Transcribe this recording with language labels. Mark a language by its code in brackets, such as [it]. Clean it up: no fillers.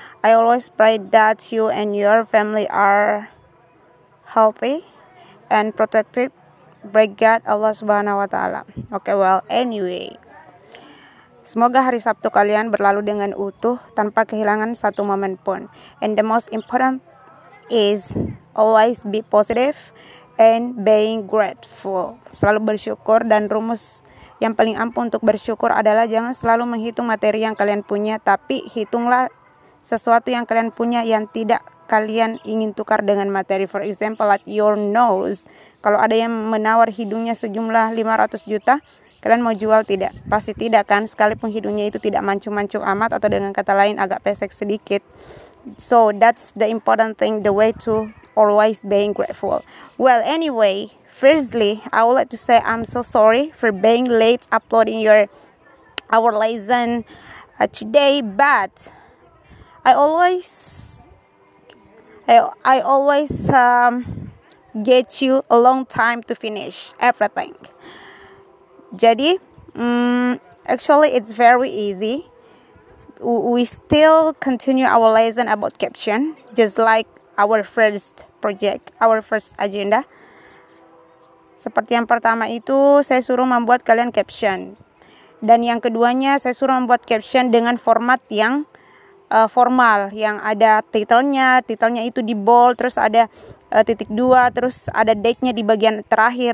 [en] I always pray that you and your family are healthy and protected by God Allah Subhanahu wa Ta'ala. Okay, well, anyway, [id] semoga hari Sabtu kalian berlalu dengan utuh tanpa kehilangan satu momen pun. [en] And the most important is always be positive and being grateful. [id] Selalu bersyukur, dan rumus yang paling ampuh untuk bersyukur adalah jangan selalu menghitung materi yang kalian punya, tapi hitunglah sesuatu yang kalian punya yang tidak kalian ingin tukar dengan materi. [en] For example, like your nose. [id] Kalau ada yang menawar hidungnya sejumlah 500 juta, kalian mau jual tidak? Pasti tidak kan, sekalipun hidungnya itu tidak mancung-mancung amat atau dengan kata lain agak pesek sedikit. [en] So that's the important thing, the way to always being grateful. Well, anyway, firstly, I would like to say I'm so sorry for being late uploading our lesson today, but I always get you a long time to finish everything. [id] Jadi, [en] actually it's very easy. We still continue our lesson about caption, just like our first project, our first agenda. [id] Seperti yang pertama itu, saya suruh membuat kalian caption. Dan yang keduanya, saya suruh membuat caption dengan format yang formal, yang ada titelnya itu di bold, terus ada titik dua, terus ada date-nya di bagian terakhir.